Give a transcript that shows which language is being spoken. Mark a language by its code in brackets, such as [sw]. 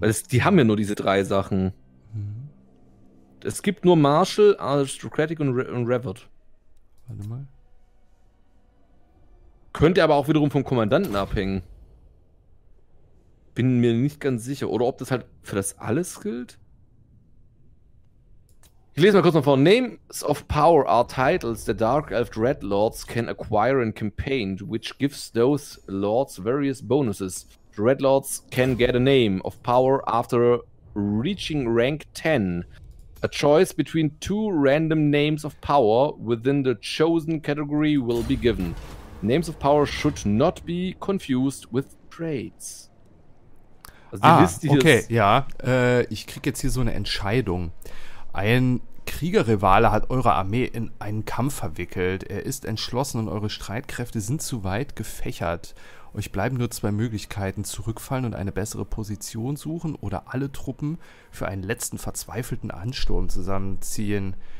[de] Die haben ja nur diese drei Sachen. Es gibt nur Marshall, Aristocratic und Revert. Warte mal. Könnte aber auch wiederum vom Kommandanten abhängen. Bin mir nicht ganz sicher. Oder ob das halt für das alles gilt? Ich lese mal kurz noch vor. [en] Names of Power are titles the Dark Elf Dreadlords can acquire in campaign, which gives those lords various bonuses. Dreadlords can get a name of power after reaching rank 10. A choice between two random names of power within the chosen category will be given. Names of power should not be confused with traits. [de] Also die Liste hier okay, ist ja. Ich kriege jetzt hier so eine Entscheidung. Ein Kriegerrivale hat eure Armee in einen Kampf verwickelt. Er ist entschlossen und eure Streitkräfte sind zu weit gefächert. Euch bleiben nur zwei Möglichkeiten, zurückfallen und eine bessere Position suchen oder alle Truppen für einen letzten verzweifelten Ansturm zusammenziehen.